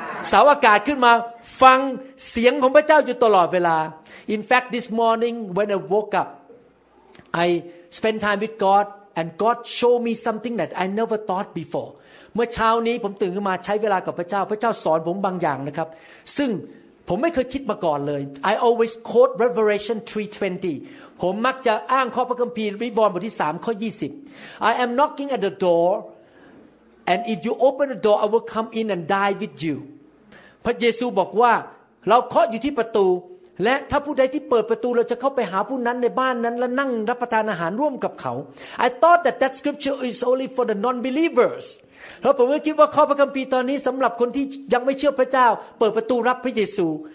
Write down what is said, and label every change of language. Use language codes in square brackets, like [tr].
[th] สาวอากาศขึ้นมาฟังเสียงของพระเจ้าอยู่ตลอดเวลา [en] In fact this morning when I woke up I spend time with GodAnd God showed me something that I never thought before. [th] เมื่อเช้านี้ผมตื่นขึ้นมาใช้เวลากับพระเจ้าพระเจ้าสอนผมบางอย่างนะครับซึ่งผมไม่เคยคิดมาก่อนเลย [en] I always quote Revelation 3:20. [th] ผมมักจะอ้างข้อพระคัมภีร์วิวรณ์บทที่3ข้อ20. [en] I am knocking at the door, and if you open the door, I will come in and die with you. [th] พระเยซูบอกว่าเราเคาะอยู่ที่ประตูและถ้าผู้ใดที่เปิดประตูเราจะเข้าไปหาผู้นั้นในบ้านนั้นและนั่งรับประทานอาหารร่วมกับเขา [en] I thought that that scripture is only for the non-believers [th] แล้วผมก็คิดว่าข้อพระคัมภีร์ตอนนี้สำหรับคนที่ยังไม่เชื่อพระเจ้าเปิดประตูรับพระเยซู